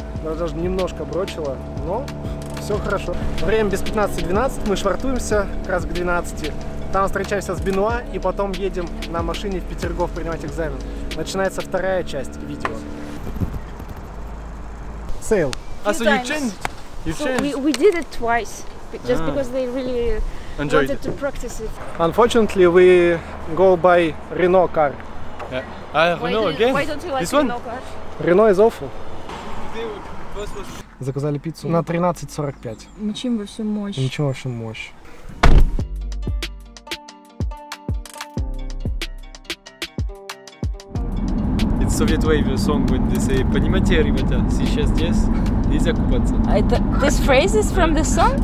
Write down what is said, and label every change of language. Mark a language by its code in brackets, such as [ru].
[ru] Даже немножко брочило, но все хорошо. Время без 15-12, мы швартуемся как раз к 12. Там встречаемся с Бенуа и потом едем на машине в Петергоф принимать экзамен. Начинается вторая часть видео. Сейл. [en] А, so you changed? We did it twice, just because they really enjoyed wanted it. To practice it. Unfortunately, we go by Renault car. Yeah. Renault again? Why don't you like this Renault one? Car? Renault is awful. [ru] Заказали пиццу на 13.45. Мчим во всю мощь. Мчим во всю мощь. [en] Soviet Wave song with this [ru] понимаете, ребята, сейчас здесь нельзя купаться. Это [en] this phrase is from the song?